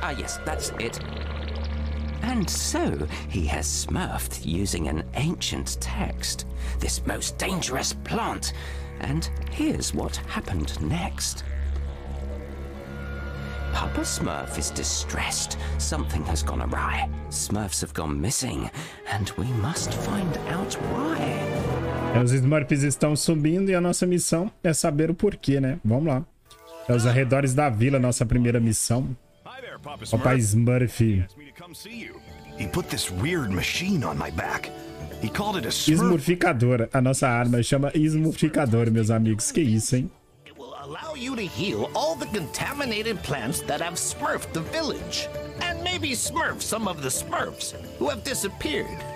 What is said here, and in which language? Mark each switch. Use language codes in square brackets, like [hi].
[en] Ah, yes, that's it. And so he has smurfed using an ancient text, this most dangerous plant. And here's what happened next. Papa Smurf is distressed. Something has gone awry. Smurfs have gone missing, and we must find out why. [pt] Os Smurfs estão sumindo e a nossa missão é saber o porquê, né? Vamos lá. É os arredores da vila, nossa primeira missão. [en] Papa Smurf. He put this weird machine on my back. He called it a [pt] smurficadora. A nossa arma chama smurficador, meus amigos. Que isso, hein? [en] Allow you to heal all the contaminated plants that have smurfed the village. And maybe smurf some of the Smurfs who have disappeared.